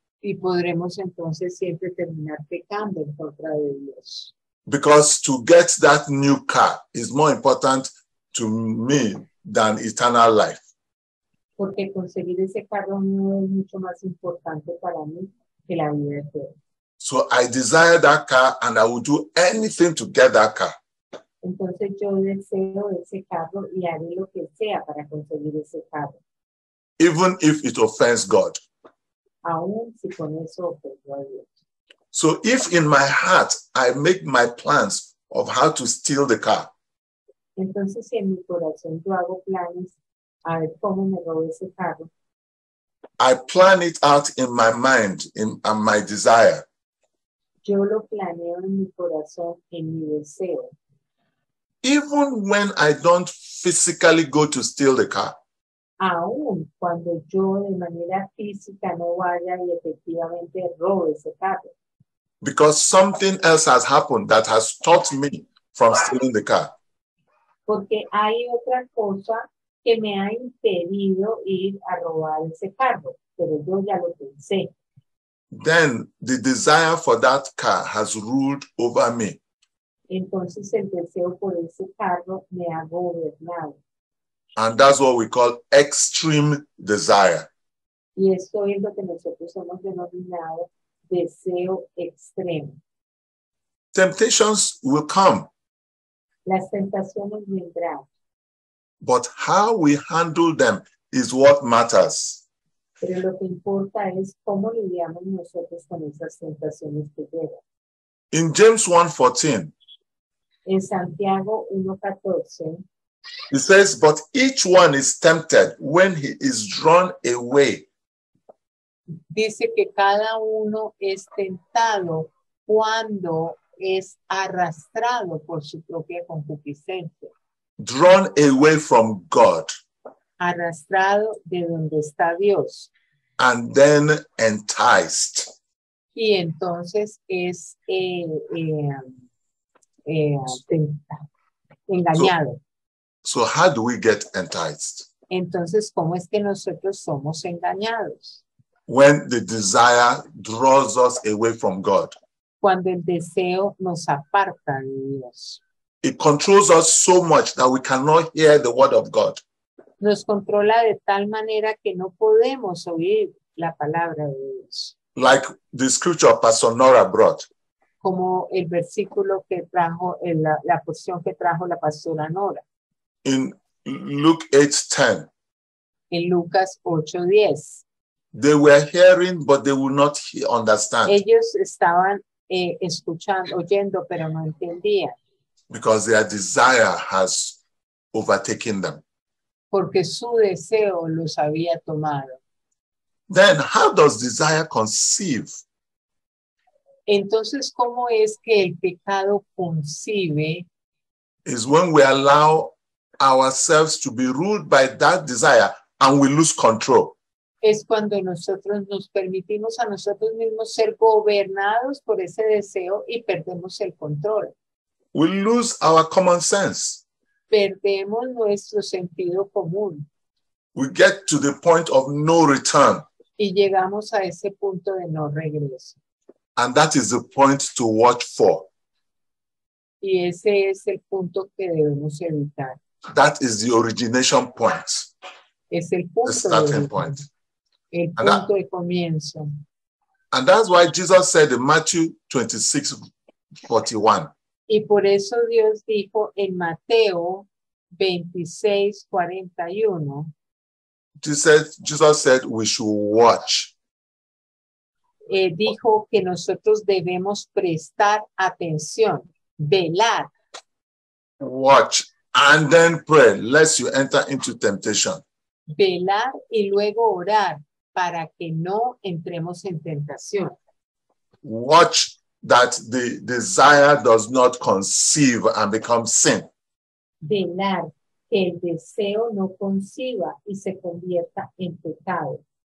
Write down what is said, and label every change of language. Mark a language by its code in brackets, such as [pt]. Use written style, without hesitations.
[es] Y podremos entonces siempre terminar pecando en contra de Dios. [en] Because to get that new car is more important to me than eternal life. [es] Porque conseguir ese carro nuevo es mucho más importante para mí que la vida eterna. [en] So I desire that car and I will do anything to get that car. [es] Entonces yo deseo ese carro y haré lo que sea para conseguir ese carro. [en] Even if it offends God. [es] Aún si con eso ofendo a Dios. [en] So if in my heart I make my plans of how to steal the car. [es] Entonces si en mi corazón yo hago planes a ver cómo me robo ese carro. [en] I plan it out in my mind in my desire. [es] Yo lo planeo en mi corazón, en mi deseo. [en] Even when I don't physically go to steal the car. [es] Aún cuando yo de manera física no vaya y efectivamente robo ese carro. [en] Because something else has happened that has stopped me from stealing the car. [es] Porque hay otra cosa que me ha impedido ir a robar ese carro, pero yo ya lo pensé. [en] Then the desire for that car has ruled over me. [es] Entonces el deseo por ese carro me ha gobernado. [en] And that's what we call extreme desire. [es] Y esto es lo que nosotros hemos denominado deseo extremo. [en] Temptations will come. [es] Las tentaciones vendrán. [en] But how we handle them is what matters. [es] Pero lo que importa es cómo lidiamos nosotros con esas tentaciones que llegan. [en] In James 1:14. [es] En Santiago 1:14. [en] He says, but each one is tempted when he is drawn away. [es] Dice que cada uno es tentado cuando es arrastrado por su propia concupiscencia. [en] Drawn away from God. [es] Arrastrado de donde está Dios. [en] And then enticed. [es] Y entonces es engañado. [en] So how do we get enticed? [es] Entonces, ¿cómo es que nosotros somos engañados? [en] When the desire draws us away from God. [es] cuando el deseo nos aparta de Dios. [en] It controls us so much that we cannot hear the word of God. [es] Nos controla de tal manera que no podemos oír la palabra de Dios. [en] Like the scripture Pastor Nora brought. [es] Como el versículo que trajo, la porción que trajo la pastora Nora. [en] In Luke 8:10. [es] En Lucas 8:10. [en] They were hearing, but they would not understand. [es] Ellos estaban escuchando, oyendo, pero no entendían. [en] Because their desire has overtaken them. [es] Porque su deseo los había tomado. [en] Then, how does desire conceive? [es] Entonces, ¿cómo es que el pecado concibe? [en] Is when we allow ourselves to be ruled by that desire and we lose control. [es] Es cuando nosotros nos permitimos a nosotros mismos ser gobernados por ese deseo y perdemos el control. [en] We lose our common sense. [es] Perdemos nuestro sentido común. [en] We get to the point of no return. [es] Y llegamos a ese punto de no regreso. [en] And that is the point to watch for. [es] Y ese es el punto que debemos evitar. [en] That is the origination point. [es] Es el punto [en] the starting point. [es] El punto de comienzo. [en] And that's why Jesus said in Matthew 26:41. [es] Y por eso Dios dijo en Mateo 26:41. [en] Jesus said we should watch. [es] Dijo que nosotros debemos prestar atención, velar. [en] Watch and then pray, lest you enter into temptation. [es] Velar y luego orar para que no entremos en tentación. [en] Watch that the desire does not conceive and become sin. [es] Velar que el deseo no conciba y se convierta en pecado.